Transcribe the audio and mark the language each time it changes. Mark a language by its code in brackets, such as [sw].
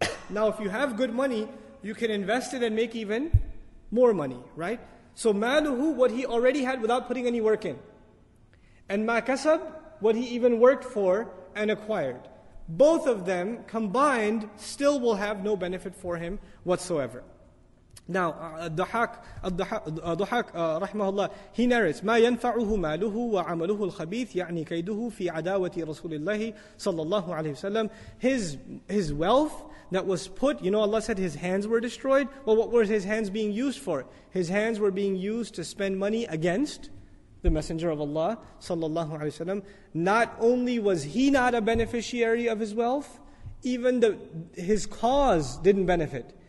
[en] Now if you have good money, you can invest it and make even more money, right? So maluhu, what he already had without putting any work in. And ma kasab, what he even worked for and acquired. Both of them combined still will have no benefit for him whatsoever. [ar] Now, al-Dhahak, rahimahullah, [en] he narrates, [ar] مَا يَنْفَعُهُ مَالُهُ وَعَمَلُهُ الْخَبِيثِ يَعْنِي كَيْدُهُ فِي عَدَاوَةِ رَسُولِ اللَّهِ صَلَّى اللَّهُ عَلَيْهِ وَسَلَّمُ. [en] His wealth that was put, you know, Allah said his hands were destroyed. Well, what were his hands being used for? His hands were being used to spend money against the Messenger of Allah sallallahu alaihi wasallam, not only was he not a beneficiary of his wealth, even his cause didn't benefit.